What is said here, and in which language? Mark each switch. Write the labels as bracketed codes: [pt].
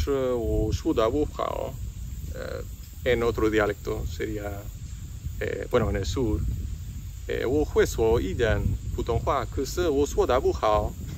[zh] 我会说一点普通话,可是我说的不好. [es] En otro dialecto sería, bueno, en el sur. [zh] 我会说一点普通话,可是我说的不好.